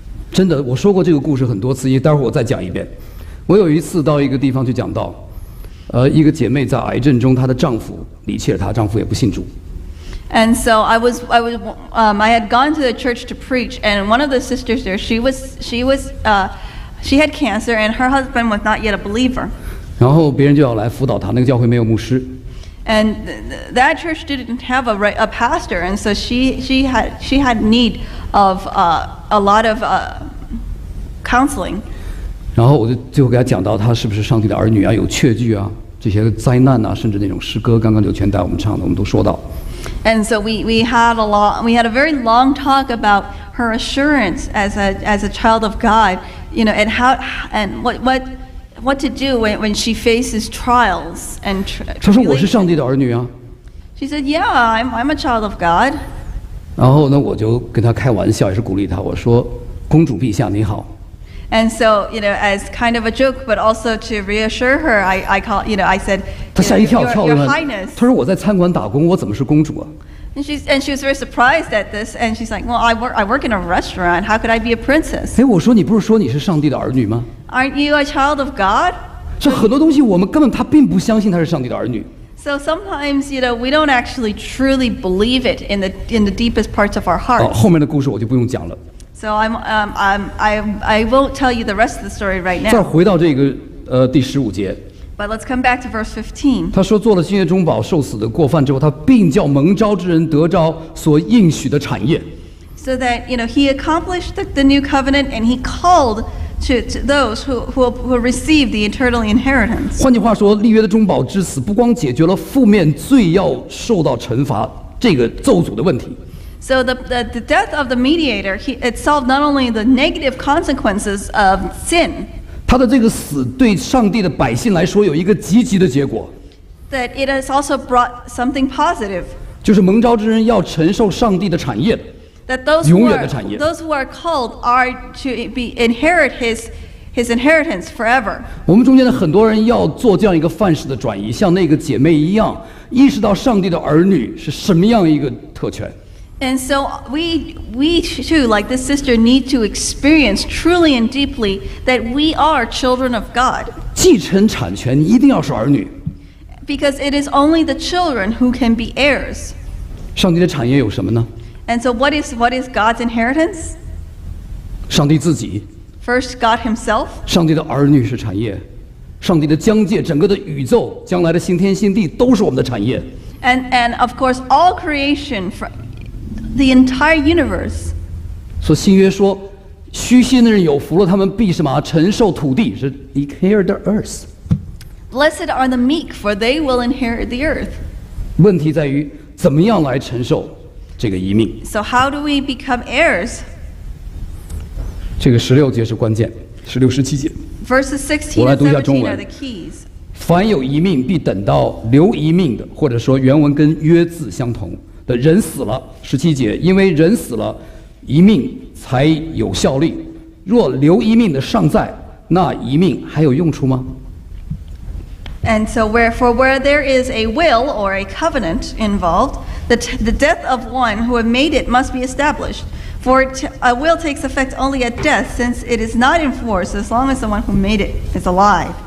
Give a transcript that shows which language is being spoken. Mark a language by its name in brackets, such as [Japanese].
[Chinese] 真的，我说过这个故事很多次，也待会儿我再讲一遍。我有一次到一个地方去讲到，一个姐妹在癌症中，她的丈夫离弃了她，丈夫也不信主。 [English] And so I had gone to the church to preach, and one of the sisters there, she had cancer, and her husband was not yet a believer. [Chinese] 然后别人就要来辅导她，那个教会没有牧师。 [English] And that church didn't have a pastor, and so she had need of a lot of counseling. [Chinese] 然后我就最后给她讲到，她是不是上帝的儿女啊？有确据啊？这些灾难啊，甚至那种诗歌，刚刚刘全带我们唱的，我们都说到。 [English] And so we had a very long talk about her assurance as a child of God, you know, and how and what to do when she faces trials and tribulations. [Chinese] 她说我是上帝的儿女啊。 [English] She said, "Yeah, I'm a child of God." [Chinese] 然后呢，我就跟她开玩笑，也是鼓励她。我说，公主陛下你好。 [English] And so you know, as kind of a joke, but also to reassure her, I called, you know, I said, "Your Highness." [Chinese] 她说我在餐馆打工，我怎么是公主啊？ [English] And she was very surprised at this, and she's like, "Well, I work in a restaurant. How could I be a princess?" [Chinese] 哎，我说你不是说你是上帝的儿女吗？ [English] Aren't you a child of God? [Chinese] 这很多东西我们根本她并不相信她是上帝的儿女。 [English] So sometimes, you know, we don't actually truly believe it in the deepest parts of our hearts. [Chinese] 后面的故事我就不用讲了。 [English] So I won't tell you the rest of the story right now. [Chinese] 再回到这个第十五节。 [English] But let's come back to verse 15. [Chinese] 他说做了新约中保受死的过犯之后，他并叫蒙召之人得着所应许的产业。 [English] So that you know he accomplished the new covenant and he called to those who receive the eternal inheritance. [Chinese] 换句话说，立约的中保之死不光解决了负面罪要受到惩罚这个咒诅的问题。 [English] So the death of the mediator, it solved not only the negative consequences of sin. [Chinese] 他的这个死对上帝的百姓来说有一个积极的结果。 [English] That it has also brought something positive. [Chinese] 就是蒙召之人要承受上帝的产业。 [English] That those who are called are to be inherit his inheritance forever. [Chinese] 我们中间的很多人要做这样一个范式的转移，像那个姐妹一样，意识到上帝的儿女是什么样一个特权。 [English] And so we too, like this sister, need to experience truly and deeply that we are children of God. [Chinese] 继承产权一定要是儿女。 [English] Because it is only the children who can be heirs. [Chinese] 上帝的产业有什么呢？ [English] And so what is God's inheritance? [Chinese] 上帝自己。 [English] First, God himself. [Chinese] 上帝的儿女是产业。上帝的疆界，整个的宇宙，将来的新天新地，都是我们的产业。 [English] And of course, all creation, the entire universe. [Chinese] 所以新约说，虚心的人有福了，他们必什么？承受土地，是 [English] inherit the earth. Blessed are the meek, for they will inherit the earth. [Chinese] 问题在于，怎么样来承受？这个遗命。 [English] So how do we become heirs? [Chinese] 这个十六节是关键，十六十七节。 [English] Verses 16 [Chinese] 我来读一下中文。凡有遗命，必等到留遗命的，或者说原文跟约字相同的人死了，十七节，因为人死了，遗命才有效力。若留遗命的尚在，那遗命还有用处吗？ [English] And so where there is a will or a covenant involved, the death of one who had made it must be established. For a will takes effect only at death, since it is not enforced as long as the one who made it is alive.